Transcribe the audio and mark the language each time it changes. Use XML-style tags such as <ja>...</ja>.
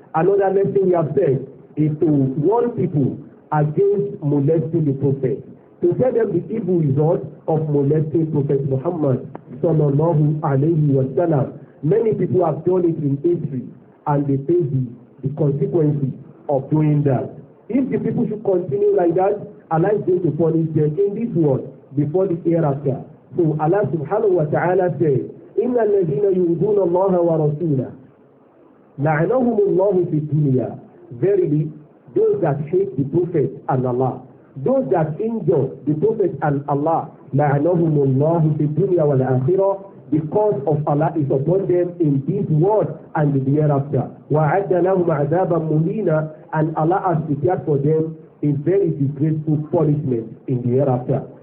<en>Another lesson we have said is to warn people against molesting the Prophet, to tell them the evil result of molesting Prophet Muhammad sallallahu alaihi wasallam. Many people have done it in history and they pay the consequences of doing that. If the people should continue like that, Allah is going to punish them in this world before the hereafter. So Allah subhanahu wa ta'ala said,</en> <ar>إِنَّ الَّذِينَ يُؤْذُونَ اللَّهَ وَرَسُولَهُ لَعَنَهُمُ اللَّهُ فِي الدُّنْيَا.</ar> <en>Verily, those that hate the Prophet and Allah, those that injure the Prophet and Allah,</en> <ar>لَعَنَهُمُ اللَّهُ فِي الدُّنْيَا وَالْآخِرَةِ,</ar> <en>the cause of Allah is upon them in this world and the hereafter.</en> <ar>وَعَدَّ لَهُمْ عَذَابًا مُلِينًا,</ar> <en>and Allah has prepared for them a very disgraceful punishment in the hereafter.</en>